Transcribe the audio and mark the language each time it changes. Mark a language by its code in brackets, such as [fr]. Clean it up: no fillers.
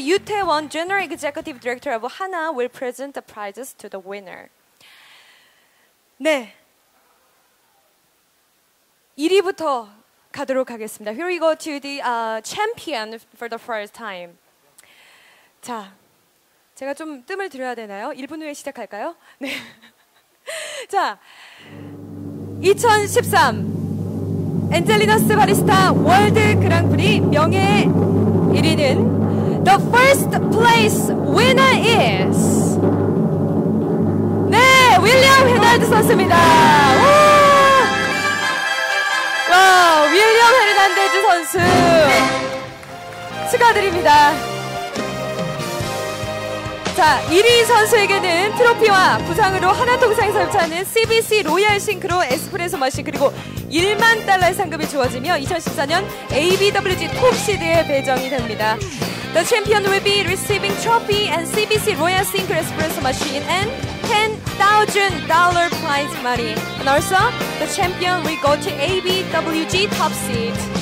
[en] 유태원, General Executive Director of 하나 will present the prizes to the winner. [ko] 네, 1위부터 가도록 하겠습니다. [en] Here we go to the champion for the first time. [ko] 자, 제가 좀 뜸을 들여야 되나요? 1분 후에 시작할까요? 네. 자, 2013 엔젤리너스 바리스타 월드 그랑프리 명예 1위는 [en] The first place winner is [ko] 네, 윌리엄 헤다. 헤르난데스 선수입니다. 와, 윌리엄 헤르난데스 선수 축하드립니다. 자, 1위 선수에게는 트로피와 부상으로 하나통상 설치하는 CBC 로얄 싱크로 에스프레소 머신 그리고 1만 달러의 상금이 주어지며 2014년 ABWG 톱 시드에 배정이 됩니다. [en] The champion will be receiving trophy and CBC Royal Sinclair Espresso Machine and $10,000 prize money. And also, the champion will go to ABWG top seed.